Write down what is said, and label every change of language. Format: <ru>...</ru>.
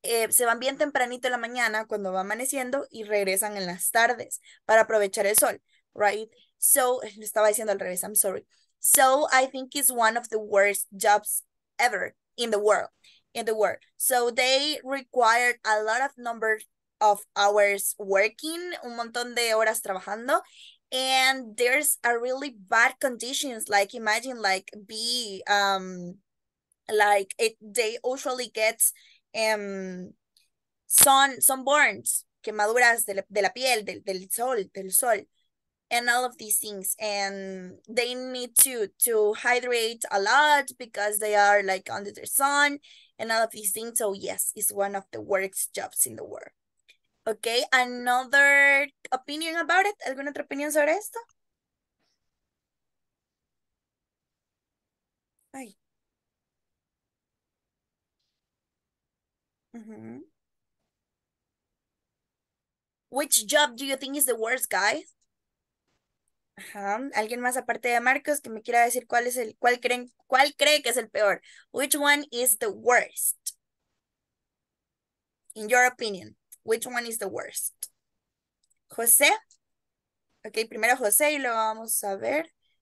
<es>Se van bien tempranito en la mañana cuando va amaneciendo y regresan en las tardes para aprovechar el sol, right? So, lo estaba diciendo al revés,</es> <en>I'm sorry. So, I think it's one of the worst jobs ever in the world. So, they require a lot of number of hours working,</en> <es>un montón de horas trabajando,</es> <en>and there's a really bad conditions, like imagine like be like it they usually gets sunburns,</en> <es>quemaduras de la piel del sol</es> <en>and all of these things, and they need to hydrate a lot because they are like under the sun and all of these things. So yes, it's one of the worst jobs in the world. Okay, another opinion about it?</en> <es>¿Alguna otra opinión sobre esto? Ay.</es> <en>Which job do you think is the worst, guys?</en> <es>¿Alguien más aparte de Marcos que me quiera decir cuál cree que es el peor?</es> <en>Which one is the worst? In your opinion. Which one is the worst? José.</en> <es>Okay, primero José y luego vamos a ver.</es>